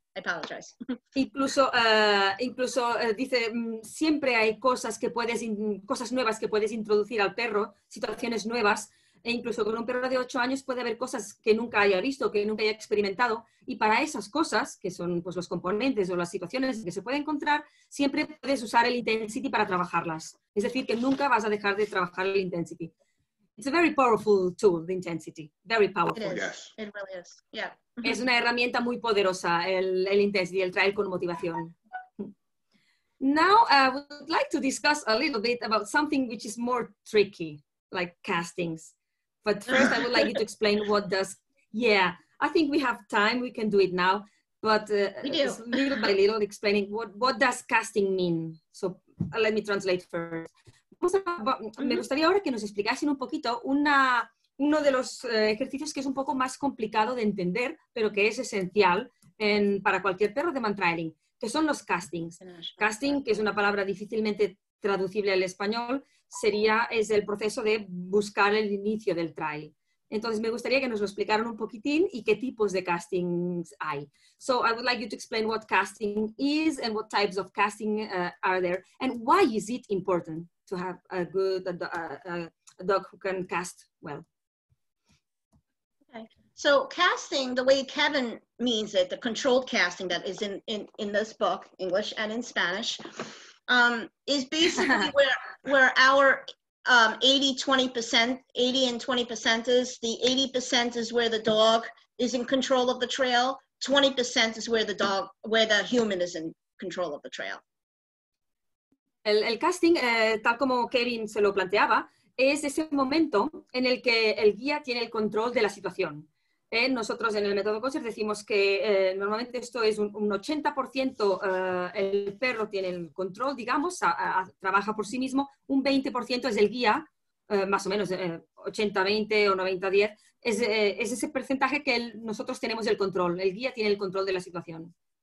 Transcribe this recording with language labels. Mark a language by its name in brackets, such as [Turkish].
[English] apologize. [Spanish] Incluso, incluso dice, siempre hay cosas que puedes, cosas nuevas que puedes introducir al perro, situaciones nuevas, e incluso con un perro de 8 años puede haber cosas que nunca haya visto, que nunca haya experimentado, y para esas cosas, que son pues, los componentes o las situaciones que se puede encontrar, siempre puedes usar el intensity para trabajarlas. Es decir, que nunca vas a dejar de trabajar el intensity. [English] It's a very powerful tool, the intensity. Very powerful. It is. Yes. It really is. Yeah. Mm-hmm. [Spanish] Es una herramienta muy poderosa, el intensity, el traer con motivación. [English] Now, I would like to discuss a little bit about something which is more tricky, like castings. But first, I would like you to explain what does... Yeah, I think we have time. We can do it now. But just little by little, explaining what does casting mean. So let me translate first. [Spanish] Me gustaría ahora que nos explicasen un poquito uno de los ejercicios que es un poco más complicado de entender, pero que es esencial para cualquier perro de mantrailing, que son los castings. Casting, que es una palabra difícilmente traducible al español, es el proceso de buscar el inicio del trail. Entonces, me gustaría que nos lo explicaran un poquitín y qué tipos de castings hay. [English] So, I would like you to explain what casting is and what types of casting are there and why is it important to have a good a dog who can cast well. Okay. So, casting, the way Kevin means it, the controlled casting that is in this book, English and in Spanish, is basically where our 80-20%, 80 and 20% is, the 80% is where the dog is in control of the trail, 20% is where the human is in control of the trail. [Spanish] El casting, tal como Kevin se lo planteaba, es ese momento en el que el guía tiene el control de la situación. Nosotros en el método coaching decimos que normalmente esto es un 80%, el perro tiene el control, digamos, trabaja por sí mismo, un 20% es el guía, más o menos 80-20 o 90-10, es ese porcentaje que nosotros tenemos el control, el guía tiene el control de la situación.